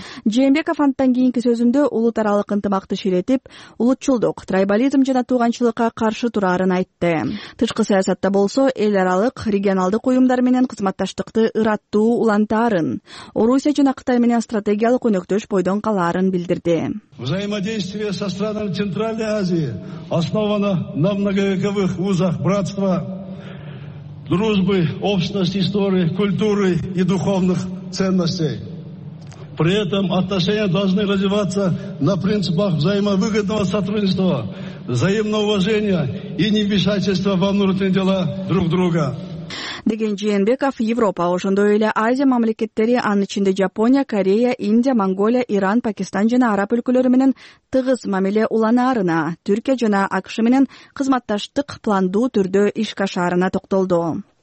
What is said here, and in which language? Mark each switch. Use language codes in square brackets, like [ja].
[ky] Жээнбеков анттан кийинки сөзүндө улут аралык ынтымакты ширетип, улутчулдук, трайбализм жана тууганчылыкка каршы тураарын айтты. Тышкы саясатта болсо, эл аралык, регионалдык уюмдар менен кызматташтыкты ыраттуу улантаарын, Орусия жана Кытай менен стратегиялык өнөктөш бойдон калаарын билдирди. [ru] Взаимодействие со странами Центральной Азии основано на многовековых узах братства, дружбы, общности, истории, культуры и духовных ценностей. При этом отношения должны развиваться на принципах взаимовыгодного сотрудничества, взаимного уважения и невмешательства во внутренние дела друг друга. [ky] Деген Жээнбеков Европа, ошондой эле Азия мамлекеттери, анын ичинде Жапония, Корея, Индия, Монголия, Иран, Пакистан жана Араб өлкөлөрү менен тыгыз мамиле уланаарына, Түркия жана АКШ менен кызматташтык пландуу түрдө ишке ашаарына токтолду.